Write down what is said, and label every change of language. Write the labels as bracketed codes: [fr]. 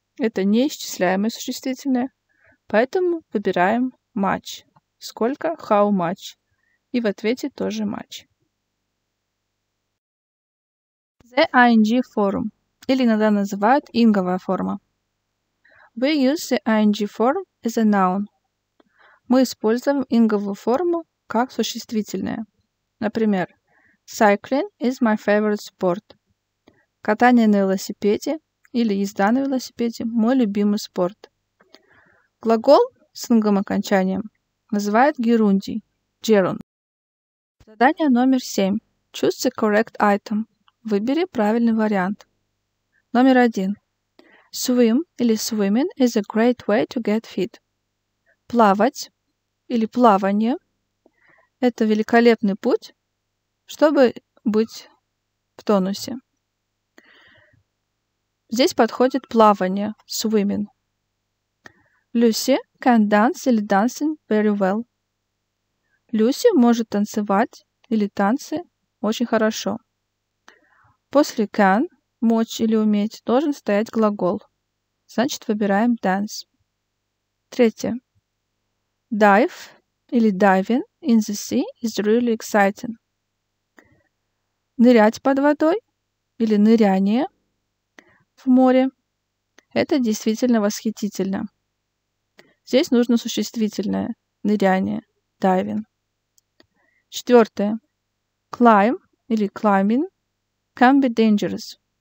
[ru] Это неисчисляемое существительное. Поэтому выбираем much. Сколько? How much? И в ответе тоже much. [en] The ING form. [ru] Или иногда называют инговая форма. [en] We use the ING form as a noun. [ru] Мы используем инговую форму как существительное. [en] Например, cycling is my favorite sport. [ru] Катание на велосипеде или езда на велосипеде – мой любимый спорт. Глагол с инговым окончанием называют герундий – gerund. Задание номер 7. [en] Choose the correct item. [ru] Выбери правильный вариант. [en] Номер 1. Swim или swimming is a great way to get fit. [ru] Плавать или плавание – это великолепный путь, чтобы быть в тонусе. Здесь подходит плавание, [en] swimming. Lucy can dance или dancing very well. [ru] Люси может танцевать или танцы очень хорошо. После can, мочь или уметь, должен стоять глагол. Значит, выбираем dance. Третье. [en] Dive или diving in the sea is really exciting. [ru] Нырять под водой или ныряние в море – это действительно восхитительно. Здесь нужно существительное – ныряние, diving. [en] Четвертое. Climb или climbing can be dangerous.